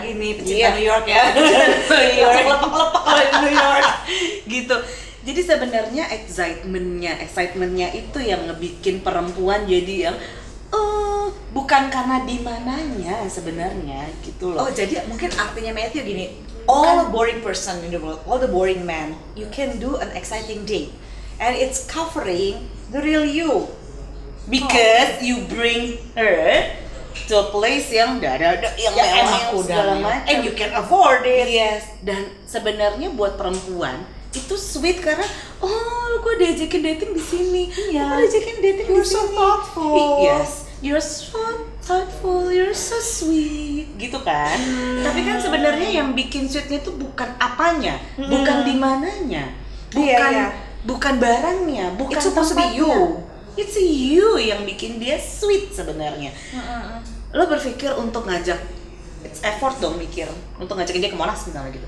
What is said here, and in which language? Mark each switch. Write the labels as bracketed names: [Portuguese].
[Indonesian] Apalagi nih pecinta New York ya, lepek-lepek oleh New York gitu. Jadi sebenarnya excitementnya itu yang ngebikin perempuan jadi yang bukan karena di mananya sebenarnya gitu loh. Oh, jadi mungkin artinya Matthew gini, [English] all the boring person in the world, all the boring man, you can do an exciting date and it's covering the real you because you bring her to a place [Indonesian] yang ada yang mewah [English] and you can afford it. Yes, [Indonesian] dan sebenarnya buat perempuan itu sweet karena gue diajakin dating di sini. Iya. Gue diajakin dating [English] you're [Indonesian] di sini. [English] So thoughtful. Yes. You're so thoughtful, you're so sweet, [Indonesian] gitu kan? Tapi kan sebenarnya yang bikin sweetnya itu bukan apanya, bukan di mananya, bukan barangnya, bukan tempatnya. [English] It's supposed to be you. It's you [Indonesian] yang bikin dia sweet sebenarnya. Lo berpikir untuk ngajak, [English] it's effort [Indonesian] dong mikir untuk ngajakin dia ke Monas misalnya gitu.